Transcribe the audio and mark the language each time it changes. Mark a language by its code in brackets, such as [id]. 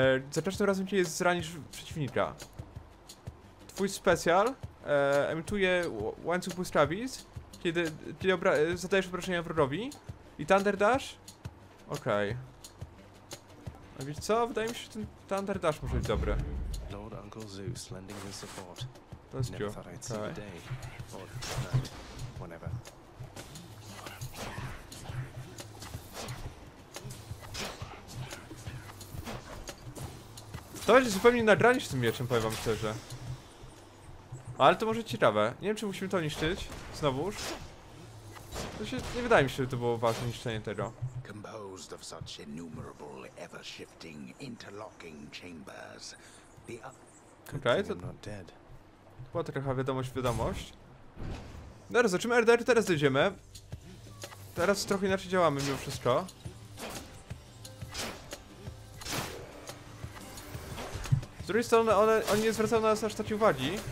[pl] Za każdym razem cię zranisz przeciwnika. Twój specjal emituje łańcuch błyskawic, kiedy zadajesz obrażenia wrogowi. I Thunder Dash? Okej. A wiesz co? Wydaje mi się, że ten Thunder Dash może być dobry. [en] Lord Uncle Zeus lending his support. That's never thought I'd see the day. Or night. Whenever. [pl] To będzie zupełnie nagranie z tym mieczem, powiem wam szczerze. Ale to może ciekawe. Nie wiem, czy musimy to niszczyć. Znowuż. To się, nie wydaje mi się, że to było ważne niszczenie tego. [en] Composed of such innumerable, ever-shifting, interlocking chambers. [pl] Okej, to była trochę wiadomość. Dobra, zobaczymy RDR, teraz dojdziemy. Teraz trochę inaczej działamy mimo wszystko. Z drugiej strony oni nie zwracają na nas aż takiej uwagi.